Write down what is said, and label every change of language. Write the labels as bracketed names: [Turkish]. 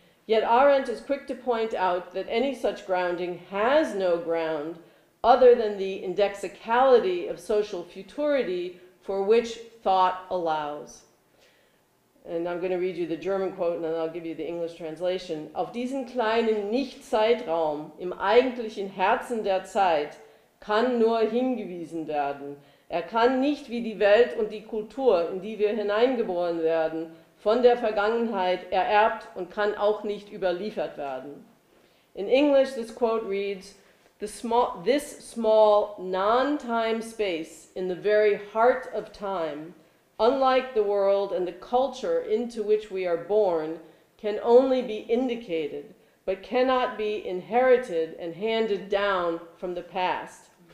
[English] Yet Arendt is quick to point out that any such grounding has no ground other than the indexicality of social futurity for which thought allows. And I'm going to read you the German quote, and then I'll give you the English translation. [German] Auf diesen kleinen Nicht-Zeitraum im eigentlichen Herzen der Zeit kann nur hingewiesen werden. Kann nicht wie die Welt und die Kultur, in die wir hineingeboren werden, von der Vergangenheit ererbt und kann auch nicht überliefert werden. [English] In English, this quote reads, This small non-time space in the very heart of time, unlike the world and the culture into which we are born, can only be indicated, but cannot be inherited and handed down from the past.